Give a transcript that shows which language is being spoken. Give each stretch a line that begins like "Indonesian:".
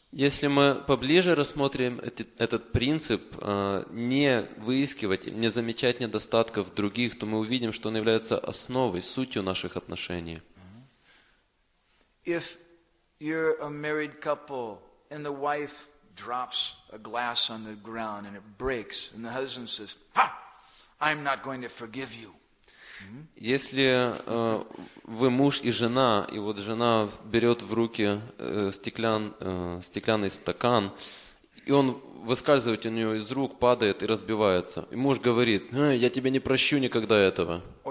Russian: Если мы поближе рассмотрим этот принцип не выискивать, не замечать недостатков других, то мы увидим, что он является основой, сутью наших отношений.
English: If you're a married couple and the wife drops a glass on the ground and it breaks and the husband says, "Ha! I'm not going to forgive you."
Russian: Если вы муж и жена, и вот жена берет в руки стеклянный стакан, и он выскальзывает у нее из рук, падает и разбивается. И муж говорит, я тебя не прощу никогда этого.